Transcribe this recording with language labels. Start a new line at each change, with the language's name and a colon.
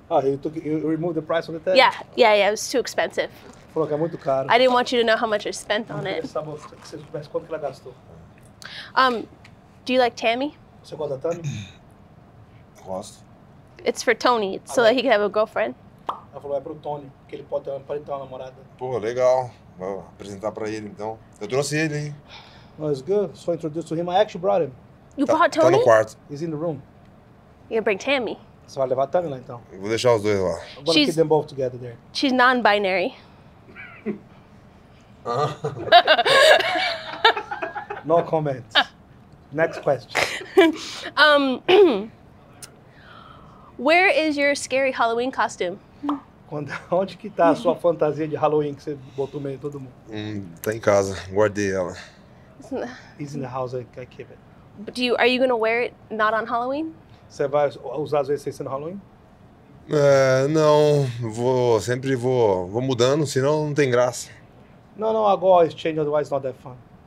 English: Ah, you removed the price from the tag? Yeah, it was too expensive.
Portuguese: Falou que é muito caro.
English: I didn't want you to know how much I spent on it.
Portuguese: Quanto que ela gastou?
English: Do you like Tammy?
Portuguese: Você gosta da Tammy? Gosto.
English: It's for Tony, so that he can have a girlfriend.
Portuguese: Ela falou, é pro Tony, que ele pode ter uma namorada. Pô, legal. Vou apresentar pra ele, então. Eu trouxe ele, hein?
English: Well, it's good. So I introduced to him. I actually brought him. You brought Tony?
Portuguese: Tá no quarto.
English: He's in the room. You bring Tammy.
Portuguese: Você vai levar a Tammy lá, então? Eu vou deixar os dois lá.
English: I'm gonna keep them both together there. She's non-binary. No comments. Next question. Where is your scary Halloween costume?
Portuguese: Onde que tá a sua fantasia de Halloween que você botou meio todo mundo? Tá em casa. Guardei ela.
English: It's in the house. I keep it. Do you, are you going to wear it not on Halloween?
Portuguese: Você vai usar as vezes no Halloween? Não. Vou mudando, senão não tem graça.
English: No, I'll go always change, otherwise it's not that fun.